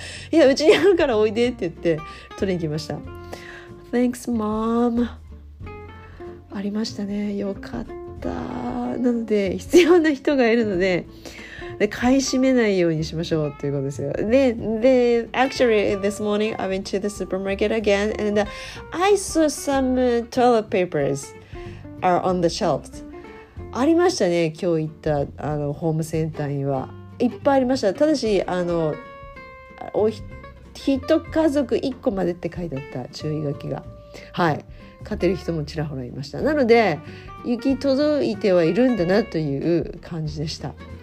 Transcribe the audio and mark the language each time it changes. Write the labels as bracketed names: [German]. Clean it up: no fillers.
[Japanese] いや、うちにあるからおいでって言って取りに来ました。 [English] Thanks, Mom. [Japanese] ありましたね。よかった。なので、必要な人がいるので、で買い占めないようにしましょうということですよ。 [English] で、actually, this morning, I went to the supermarket again, and I saw some toilet papers. Are on the shelves. [Japanese] ありましたね。今日行ったあのホームセンターにはいっぱいありました。ただしあの一家族一個までって書いてあった注意書きが。はい。買ってる人もちらほらいました。なので行き届いてはいるんだなという感じでした。